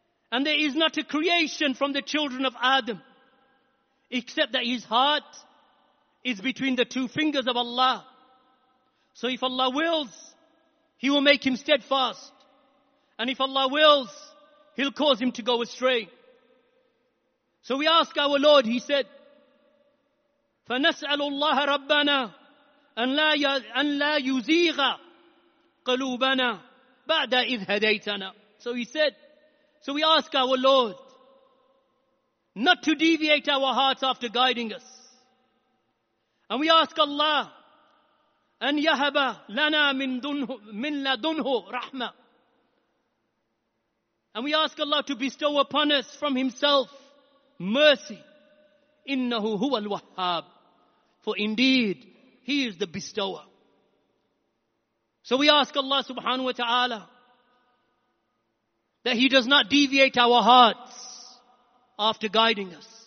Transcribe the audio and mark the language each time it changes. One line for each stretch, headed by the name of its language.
English: And there is not a creation from the children of Adam except that his heart is between the two fingers of Allah. So if Allah wills, He will make him steadfast. And if Allah wills, He'll cause him to go astray. So we ask our Lord, He said,
Arabic: فَنَسْأَلُ اللَّهَ رَبَّنَا أَنْ لَا يُزِيغَ قَلُوبَنَا بَعْدَ إِذْ هَدَيْتَنَا.
English: So He said, so we ask our Lord not to deviate our hearts after guiding us. And we ask Allah,
Arabic: أَنْ يَهَبَ لَنَا مِنْ لَدُنْهُ رَحْمَةً.
English: And we ask Allah to bestow upon us from Himself mercy.
Arabic: إِنَّهُ هُوَ الْوَهَّابِ.
English: For indeed, He is the bestower. So we ask Allah subhanahu wa ta'ala that He does not deviate our hearts after guiding us.